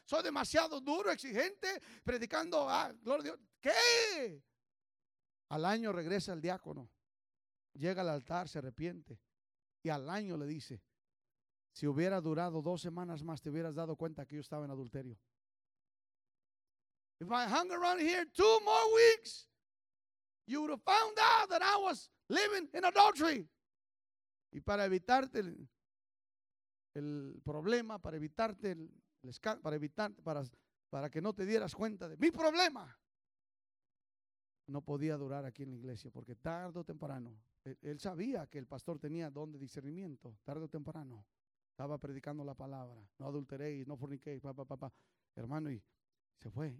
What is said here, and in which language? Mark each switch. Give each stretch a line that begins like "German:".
Spanish: ¿Soy demasiado duro, exigente, predicando? Ah, gloria a Dios. ¿Qué? Al año regresa el diácono. Llega al altar, se arrepiente. Y al año le dice, si hubiera durado 2 semanas más, te hubieras dado cuenta que yo estaba en adulterio.
English: If I hung around here 2 more weeks, you would have found out that I was living in adultery.
Spanish: Y para evitarte el problema, para evitarte el escándalo, para que no te dieras cuenta de mi problema, no podía durar aquí en la iglesia, porque tarde o temprano, él sabía que el pastor tenía don de discernimiento, tarde o temprano, estaba predicando la palabra, no adulteréis, no forniquéis, hermano, y se fue.